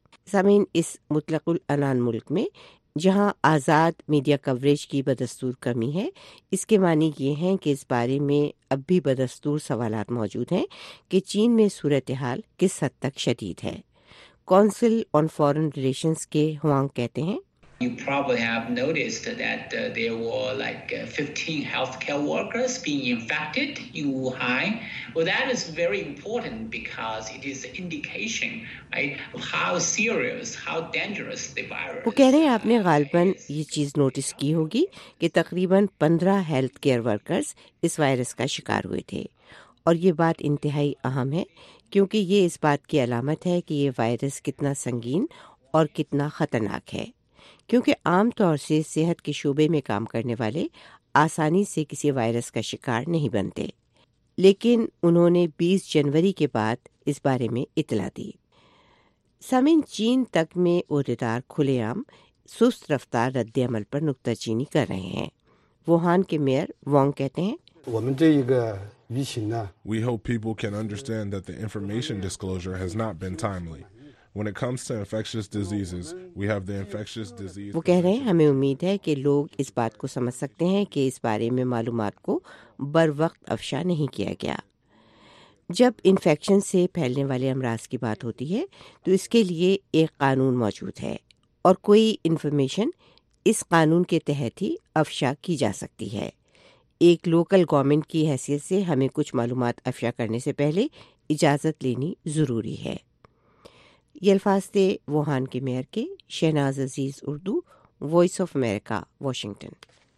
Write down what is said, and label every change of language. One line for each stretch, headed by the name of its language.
Urdu: سامعین، اس مطلق العنان ملک میں جہاں آزاد میڈیا کوریج کی بدستور کمی ہے، اس کے معنی یہ ہیں کہ اس بارے میں اب بھی بدستور سوالات موجود ہیں کہ چین میں صورتحال کس حد تک شدید ہے۔ کونسل آن فارن ریلیشنز کے ہوانگ کہتے ہیں،
English: You probably have noticed that there were like 15 healthcare workers being infected in Wuhan. Well, that is very important because it is an indication, right, of how serious, how dangerous the virus.
Urdu: وہ کہہ رہے ہیں آپ نے غالباً یہ چیز notice کی ہوگی کہ تقریباً 15 ہیلتھ کیئر ورکرز اس وائرس کا شکار ہوئے تھے، اور یہ بات انتہائی اہم ہے کیونکہ یہ اس بات کی علامت ہے کہ یہ وائرس کتنا سنگین اور کتنا خطرناک ہے، کیونکہ عام طور سے صحت کے شعبے میں کام کرنے والے آسانی سے کسی وائرس کا شکار نہیں بنتے۔ لیکن انہوں نے 20 جنوری کے بعد اس بارے میں اطلاع دی۔ سامعین، چین تک میں عہدیدار کھلے عام سست رفتار رد عمل پر نکتہ چینی کر رہے ہیں۔ ووہان کے میئر وانگ کہتے ہیں،
English: We hope people can understand that the information disclosure has not been timely. When it comes to infectious diseases, we have the infectious disease.
Urdu: وہ کہہ رہے ہیں ہمیں امید ہے کہ لوگ اس بات کو سمجھ سکتے ہیں کہ اس بارے میں معلومات کو بر وقت افشا نہیں کیا گیا۔ جب انفیکشن سے پھیلنے والے امراض کی بات ہوتی ہے تو اس کے لیے ایک قانون موجود ہے، اور کوئی انفارمیشن اس قانون کے تحت ہی افشا کی جا سکتی ہے۔ ایک لوکل گورنمنٹ کی حیثیت سے ہمیں کچھ معلومات افشا کرنے سے پہلے اجازت لینی ضروری ہے۔ یہ الفاظ تھے ووہان کے میئر کے، شہناز عزیز، Urdu, voice of America, Washington.